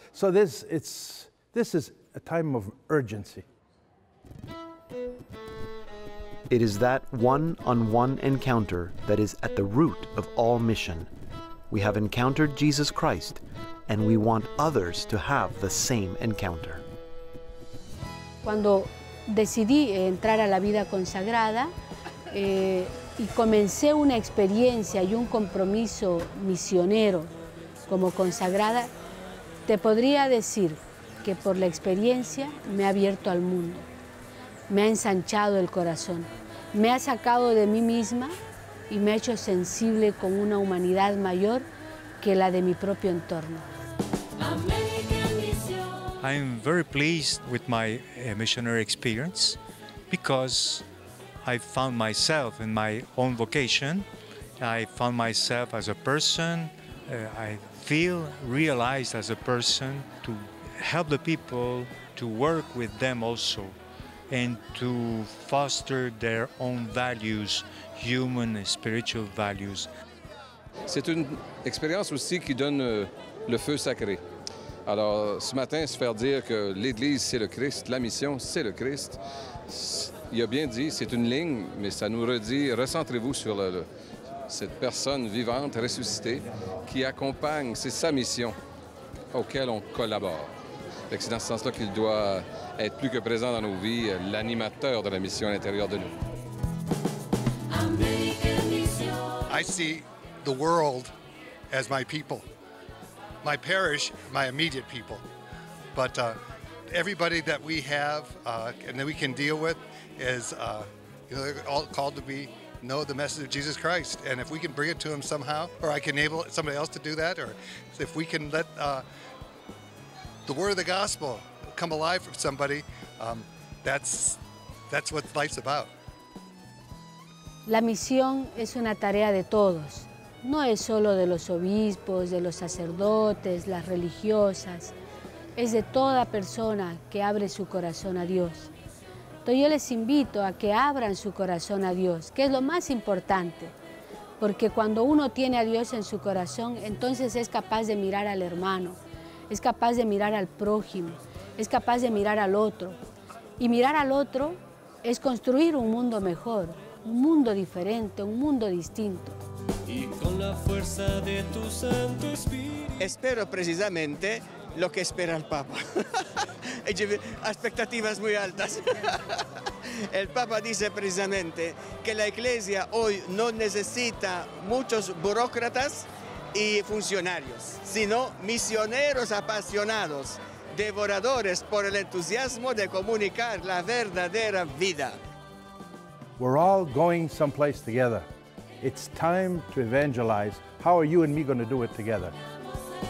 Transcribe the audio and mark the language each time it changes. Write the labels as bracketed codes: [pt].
[en] So this is a time of urgency. It is that one-on-one encounter that is at the root of all mission. We have encountered Jesus Christ, and we want others to have the same encounter. [es] Cuando decidí entrar a la vida consagrada, y comencé una experiencia y un compromiso misionero como consagrada, te podría decir que por la experiencia me ha abierto al mundo, me ha ensanchado el corazón, me ha sacado de mí misma y me ha hecho sensible con una humanidad mayor que la de mi propio entorno. [en] I'm very pleased with my missionary experience because I found myself in my own vocation. I found myself as a person. I feel realized as a person to help the people, to work with them also, and to foster their own values, human and spiritual values. [fr] C'est une expérience aussi qui donne le feu sacré. Alors, ce matin, se faire dire que l'Église, c'est le Christ, la mission, c'est le Christ. Il a bien dit, c'est une ligne, mais ça nous redit, recentrez-vous sur cette personne vivante, ressuscitée, qui accompagne, c'est sa mission auquel on collabore. Donc c'est dans ce sens-là qu'il doit être plus que présent dans nos vies, l'animateur de la mission à l'intérieur de nous. [en] I see the world as my people. My parish, my immediate people. But everybody that we have and that we can deal with is all called to be know the message of Jesus Christ. And if we can bring it to them somehow, or I can enable somebody else to do that, or if we can let the word of the gospel come alive for somebody, that's what life's about. [es] La misión es una tarea de todos. No es solo de los obispos, de los sacerdotes, las religiosas. Es de toda persona que abre su corazón a Dios. Entonces yo les invito a que abran su corazón a Dios, que es lo más importante. Porque cuando uno tiene a Dios en su corazón, entonces es capaz de mirar al hermano, es capaz de mirar al prójimo, es capaz de mirar al otro. Y mirar al otro es construir un mundo mejor, un mundo diferente, un mundo distinto. Y con la fuerza de tu Santo Espíritu. Espero precisamente lo que espera el Papa. Expectativas muy altas. El Papa dice precisamente que la Iglesia hoy no necesita muchos burócratas y funcionarios, sino misioneros apasionados, devoradores por el entusiasmo de comunicar la verdadera vida. [en] We're all going someplace together. It's time to evangelize. How are you and me going to do it together?